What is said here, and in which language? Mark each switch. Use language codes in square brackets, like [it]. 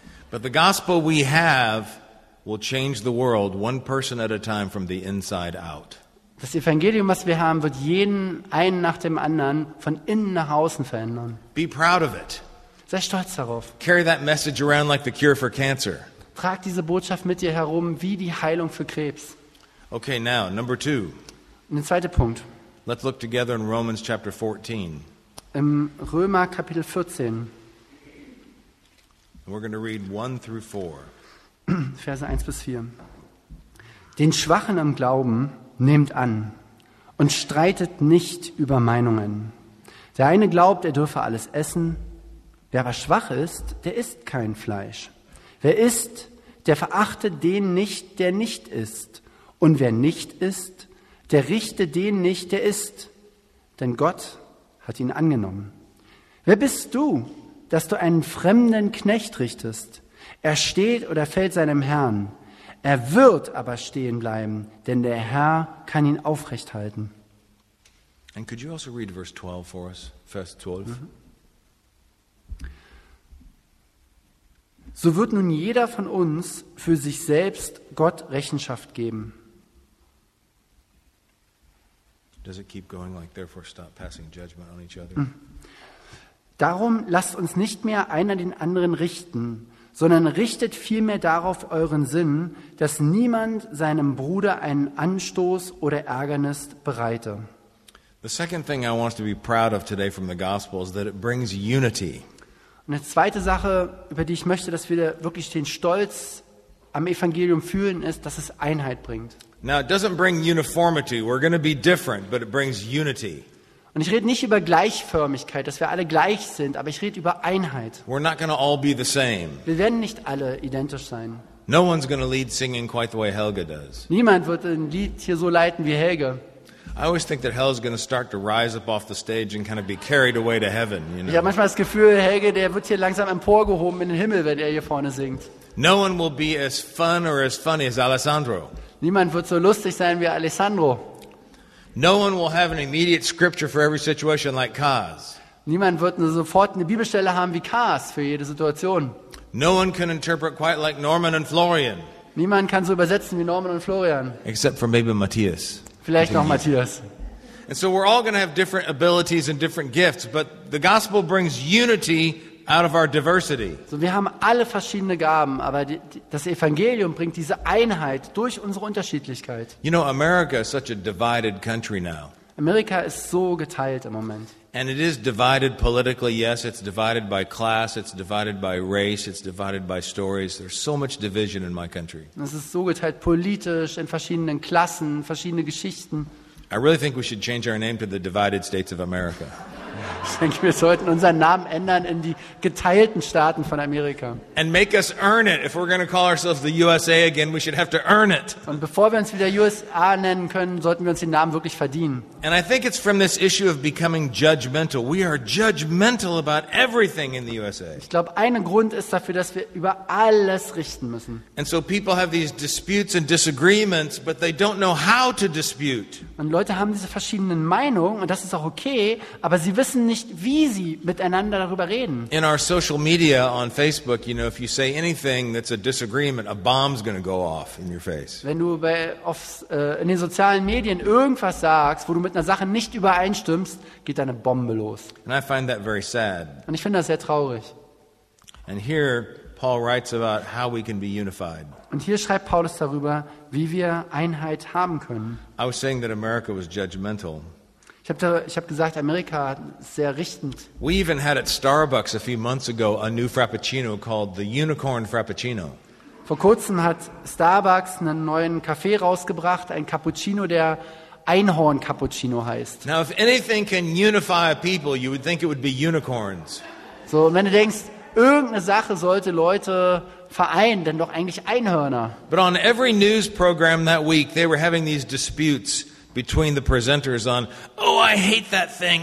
[en] But the gospel we have will change the world one person at a time from the inside out. [de] Das Evangelium, was wir haben, wird jeden einen nach dem anderen von innen nach außen verändern. [en] Be proud of it. [de] Sei stolz darauf. [en] Carry that message around like the cure for cancer. [de] Trag diese Botschaft mit dir herum wie die Heilung für Krebs. [en] Okay, now, number two. [de] Der zweite Punkt. [en] Let's look together in Romans chapter 14. [de] Im Römer Kapitel 14. [en] We're going to read 1 through 4. [de] Verse 1 bis 4. Den Schwachen im Glauben nehmt an und streitet nicht über Meinungen. Der eine glaubt, er dürfe alles essen. Wer aber schwach ist, der isst kein Fleisch. Wer isst, der verachte den nicht, der nicht isst. Und wer nicht isst, der richte den nicht, der isst. Denn Gott hat ihn angenommen. Wer bist du, dass du einen fremden Knecht richtest? Er steht oder fällt seinem Herrn. Er wird aber stehen bleiben, denn der Herr kann ihn aufrecht halten. [en] And could you also read verse 12 for us? [de] Vers 12. Mm-hmm. So wird nun jeder von uns für sich selbst Gott Rechenschaft geben. [en] Does it keep going like therefore stop passing judgment on each other? [de] Darum lasst uns nicht mehr einer den anderen richten, sondern richtet vielmehr darauf euren Sinn, dass niemand seinem Bruder einen Anstoß oder Ärgernis bereite. [en] The second thing I want to be proud of today from the gospel is that it brings unity. [de] Und eine zweite Sache, über die ich möchte, dass wir wirklich den Stolz am Evangelium fühlen, ist, dass es Einheit bringt. [en] Now, it doesn't bring uniformity. We're going to be different, but it brings unity. [de] Und ich rede nicht über Gleichförmigkeit, dass wir alle gleich sind, aber ich rede über Einheit. [en] We're not going to all be the same. [de] Wir werden nicht alle identisch sein. [en] No one's going to lead singing quite the way Helga does. [de] Niemand wird ein Lied hier so leiten wie Helga. [en] I always think that Helga's going to start to rise up off the stage and kind of be carried away to heaven. You know? [de] Ich habe manchmal das Gefühl, Helga, der wird hier langsam emporgehoben in den Himmel, wenn er hier vorne singt. [en] No one will be as fun or as funny as Alessandro. [de] Niemand wird so lustig sein wie Alessandro. [en] No one will have an immediate scripture for every situation like Kaz. [de] Niemand wird sofort eine Bibelstelle haben wie Kaz für jede Situation. [en] No one can interpret quite like Norman and Florian. [de] Niemand kann so übersetzen wie Norman und Florian. [en] Except for maybe Matthias. [de] Vielleicht noch Matthias. [en] And so we're all going to have different abilities and different gifts, but the gospel brings unity out of our diversity. [de] So wir haben alle verschiedene Gaben, aber das Evangelium bringt diese Einheit durch unsere Unterschiedlichkeit. [en] You know, America is such a divided country now. [de] Amerika ist so geteilt im Moment. [en] And it is divided politically, yes, it's divided by class, it's divided by race, it's divided by stories. There's so much division in my country. [de] Es ist so geteilt politisch in verschiedenen Klassen, verschiedene Geschichten. [en] I really think we should change our name to the Divided States of America. [de] Ich denke, wir sollten unseren Namen ändern in die geteilten Staaten von Amerika. [en] And make us earn it. If we're going to call ourselves the USA again, we should have to earn it. [de] Und bevor wir uns wieder USA nennen können, sollten wir uns den Namen wirklich verdienen. [en] And I think it's from this issue of becoming judgmental. We are judgmental about everything in the USA. [de] Ich glaube, ein Grund ist dafür, dass wir über alles richten müssen. [en] And so people have these disputes and disagreements, but they don't know how to dispute. [de] Und Leute haben diese verschiedenen Meinungen, und das ist auch okay, aber sie wissen nicht, wie sie miteinander darüber reden. [en] In our social media on Facebook, you know, if you say anything that's a disagreement, a bomb's going to go off in your face. [de] Wenn du in den sozialen Medien irgendwas sagst, wo du mit einer Sache nicht übereinstimmst, geht eine Bombe los. [en] And I find that very sad. [de] Und ich finde das sehr traurig. [en] And here Paul writes about how we can be unified. [de] Und hier schreibt Paulus darüber, wie wir Einheit haben können. [en] I was saying that America was judgmental. [de] Ich hab gesagt, Amerika ist sehr richtend. [en] We even had at Starbucks a few months ago a new frappuccino called the Unicorn Frappuccino. [de] Vor kurzem hat Starbucks einen neuen Kaffee rausgebracht, ein Cappuccino, der Einhorn Cappuccino heißt. [en] Now if anything can unify a people, you would think it would be unicorns. [de] So, wenn du denkst, irgendeine Sache sollte Leute vereinen, denn doch eigentlich Einhörner. [en] But on every news program that week, they were having these disputes between the presenters on, oh, I hate that thing.